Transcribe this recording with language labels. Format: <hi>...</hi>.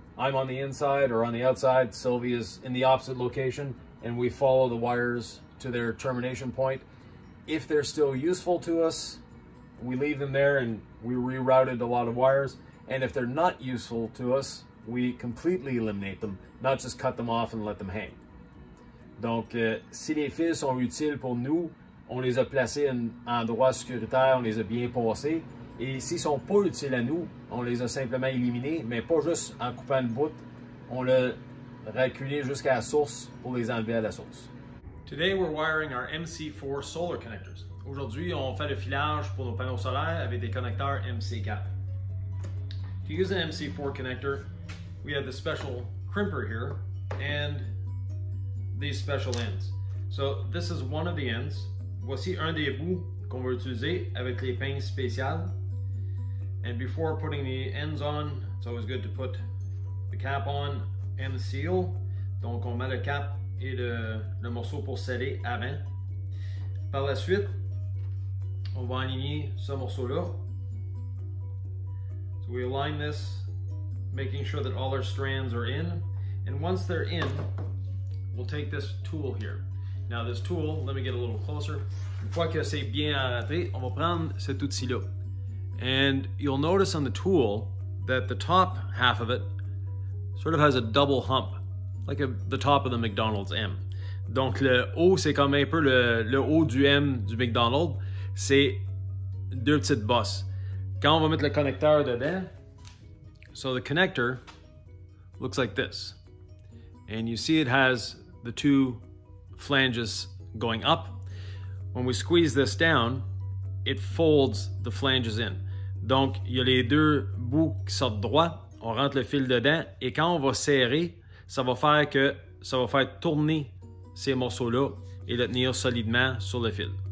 <en>I'm on the inside or on the outside. Sylvia's in the opposite location. And we follow the wires to their termination point. If they're still useful to us, we leave them there and we rerouted a lot of wires. And if they're not useful to us, we completely eliminate them, not just cut them off and let them hang.</en> <fr>Donc, si les fils sont utiles pour nous, on les a placés en endroit sécuritaire, on les a bien passés. Et s'ils ne sont pas utiles à nous, on les a simplement éliminés, mais pas juste en coupant une boute, on l'a reculé jusqu'à la source pour les enlever à la source.</fr> <en>Today we're wiring our MC4 solar connectors.</en> <fr>Aujourd'hui, on fait le filage pour nos panneaux solaires avec des connecteurs MC4.</fr> <en>To use an MC4 connector, we have the special crimper here and these special ends. So this is one of the ends.</en> <fr>Voici un des bouts qu'on veut utiliser avec les pinces spéciales.</fr> <en>And before putting the ends on, it's always good to put the cap on and the seal.</en> <fr>Donc on met le cap et le morceau pour sceller avant. Par la suite, on va aligner ce morceau-là.</fr> <en>So we align this, making sure that all our strands are in. And once they're in, we'll take this tool here. Now this tool, let me get a little closer.</en> <fr>Une fois que c'est bien arrêté, on va prendre cet outil-là.</fr> <en>And you'll notice on the tool that the top half of it sort of has a double hump, like the top of the McDonald's M.</en> <fr>Donc le haut, c'est comme un peu le haut du M du McDonald's. C'est deux petites bosses. Quand on va mettre le connecteur dedans,</fr> <en>so the connector looks like this. And you see it has the two flanges going up. When we squeeze this down, it folds the flanges in.</en> <fr>Donc, il y a les deux bouts qui sortent droit. On rentre le fil dedans. Et quand on va serrer, ça va faire tourner ces morceaux-là et le tenir solidement sur le fil.</fr>